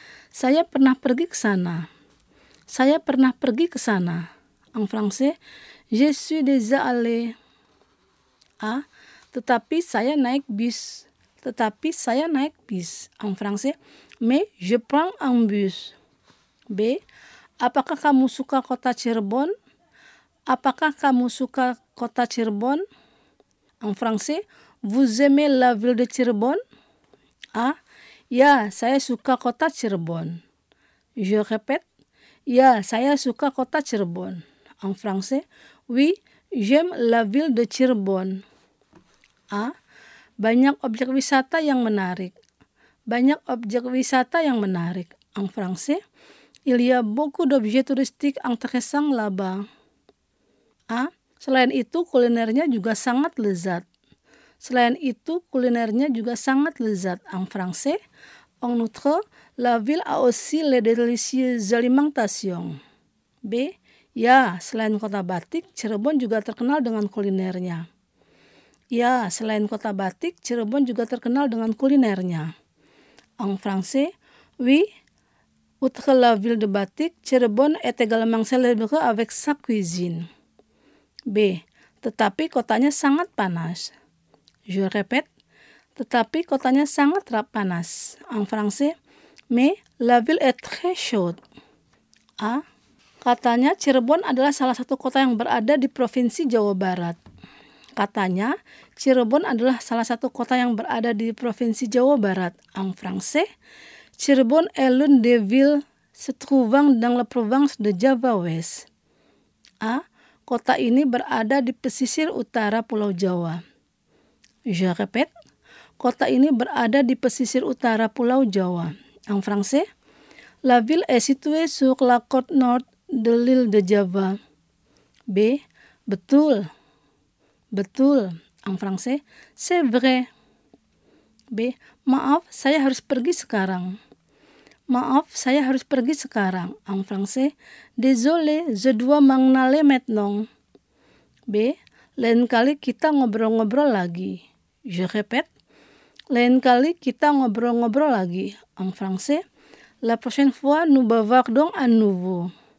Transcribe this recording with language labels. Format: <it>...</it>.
<id>Saya pernah pergi ke sana. Saya pernah pergi ke sana.</id> <fr>En français, je suis déjà allé. A.</fr> <id>Tetapi saya naik bus. Tetapi saya naik bus.</id> <fr>En français, mais je prends un bus. B.</fr> <id>Apakah kamu suka kota Cirebon? Apakah kamu suka kota Cirebon?</id> <fr>En français, vous aimez la ville de Cirebon? A.</fr> <id>Ya, saya suka kota Cirebon.</id> <fr>Je répète.</fr> <id>Ya, saya suka kota Cirebon.</id> <fr>En français, oui, j'aime la ville de Cirebon. A.</fr> <id>Banyak objek wisata yang menarik. Banyak objek wisata yang menarik.</id> <fr>en français, il y a beaucoup d'objets touristiques intéressants là-bas.</fr> <id>Ah, selain itu kulinernya juga sangat lezat. Selain itu kulinernya juga sangat lezat</id> <fr>en français. En outre, la ville a aussi les délicieuses alimentations. B.</fr> <id>Ya, selain kota batik, Cirebon juga terkenal dengan kulinernya. Ya, selain kota batik, Cirebon juga terkenal dengan kulinernya.</id> <fr>En français, oui, outre la ville de batik, Cirebon est également célèbre avec sa cuisine. B.</fr> <id>Tetapi kotanya sangat panas.</id> <fr>Je répète,</fr> <id>tetapi kotanya sangat panas.</id> <fr>En français, mais la ville est très chaude. A.</fr> <id>Katanya Cirebon adalah salah satu kota yang berada di Provinsi Jawa Barat. Katanya Cirebon adalah salah satu kota yang berada di Provinsi Jawa Barat.</id> <fr>En français, Cirebon est l'une des villes se trouvant dans la province de Java West. A.</fr> <id>Kota ini berada di pesisir utara Pulau Jawa.</id> <fr>Je répète,</fr> <id>kota ini berada di pesisir utara Pulau Jawa.</id> <fr>En français, la ville est située sur la côte nord de l'île de Java.</fr> <id>B. Betul. Betul.</id> <fr>En français, c'est vrai. B.</fr> <id>Maaf, saya harus pergi sekarang. Maaf, saya harus pergi sekarang.</id> <fr>En français, désolé, je dois m'en aller maintenant.</fr> <id>B. Lain kali kita ngobrol-ngobrol lagi.</id> <fr>Je répète.</fr> <id>Lain kali kita ngobrol-ngobrol lagi.</id> <fr>En français, la prochaine fois, nous bavardons à nouveau.</fr>